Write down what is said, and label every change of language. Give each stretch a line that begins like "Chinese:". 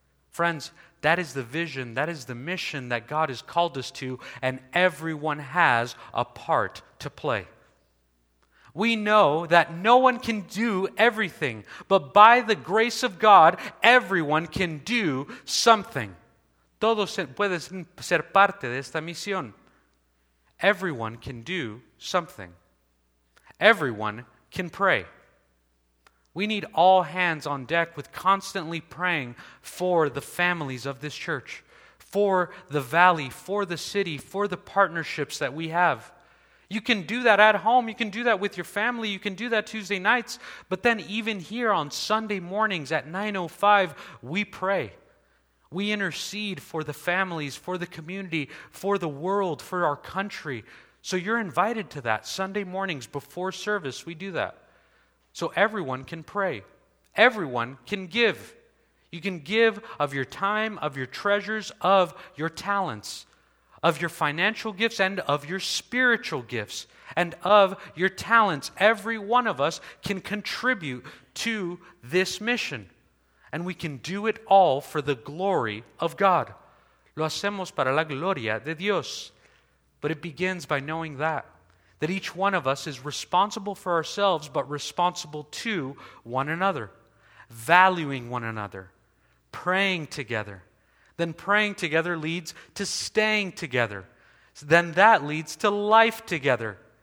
English: Friends, that is the vision, that is the mission that God has called us to, and everyone has a part to play. We know that no one can do everything, but by the grace of God, everyone can do something.
Spanish: Todo puede ser parte de esta misión.
English: Everyone can do something. Everyone can pray. We need all hands on deck with constantly praying for the families of this church, for the valley, for the city, for the partnerships that we have. You can do that at home. You can do that with your family. You can do that Tuesday nights. But then even here on Sunday mornings at 9:05, we pray. We intercede for the families, for the community, for the world, for our country. So you're invited to that. Sunday mornings before service, we do that. So everyone can pray. Everyone can give. You can give of your time, of your treasures, of your talents, of your financial gifts, and of your spiritual gifts, and of your talents. Every one of us can contribute to this mission. And we can do it all for the glory of God.
Spanish: Lo hacemos para la gloria de Dios.
English: But it begins by knowing that each one of us is responsible for ourselves, but responsible to one another, valuing one another, praying together. Then praying together leads to staying together. Then that leads to life together.